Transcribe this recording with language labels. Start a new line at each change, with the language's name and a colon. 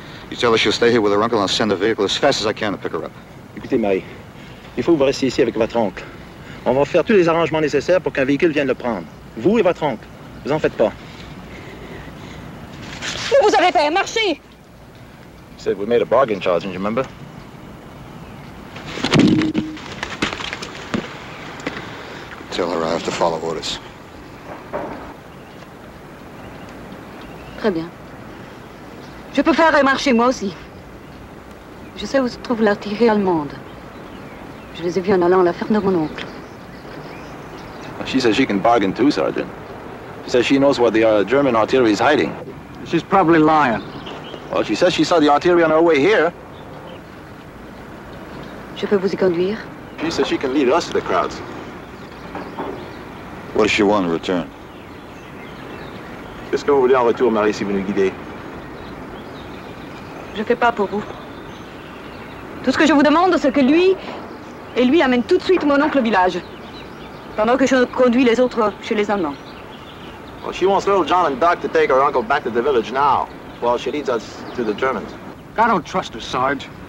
English: You tell her she'll stay here with her uncle and send a vehicle as fast as I can to pick her up.
French: Écoutez, Marie, il faut que vous restiez ici avec votre oncle. On va faire tous les arrangements nécessaires pour qu'un véhicule vienne le prendre. Vous et votre oncle. Vous en faites pas. Vous vous avez fait marcher!
English: Said we made a bargain, Charles, didn't you remember? Tell her I have to follow orders.
French: Très bien. Je peux faire remarcher moi aussi. Je sais où se trouve l'artillerie allemande. Je les ai vus en allant à la ferme de mon oncle.
English: She says she can bargain too, Sergeant. She says she knows where the German artillery is hiding. She's probably lying. Well, she says she saw the artillery on her way here.
French: Je peux vous y conduire?
English: She says she can lead us to the crowds. What does she want in return?
French: Qu'est-ce que vous voulez en retour, Marie, si vous nous guidez? Je ne fais pas pour vous. Tout ce que je vous demande, c'est que lui et lui amènent tout de suite mon oncle au village. Pendant que je conduis les autres chez les Allemands.
English: Well, she wants little John and Doc to take her uncle back to the village now. Well, she leads us to the Germans. I don't trust her, Sarge.